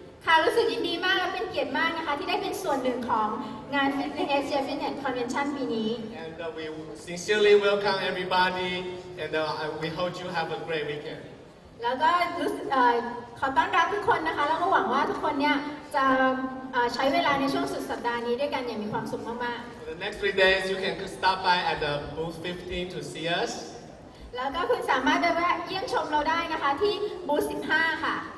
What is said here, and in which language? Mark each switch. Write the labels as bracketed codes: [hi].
[en] And we sincerely welcome everybody and we hope you have a great weekend. [th] แล้วก็ขอต้อนรับทุกคนนะคะแล้วก็หวังว่าทุกคนเนี่ยจะใช้เวลาในช่วงสุดสัปดาห์นี้ด้วยกันอย่างมีความสุขมาก [en] ๆ The next 3 days you can stop by at the booth 15 to see us [th] แล้วก็คุณสามารถไปแวะเยี่ยมชมเราได้นะคะที่บูธ15ค่ะ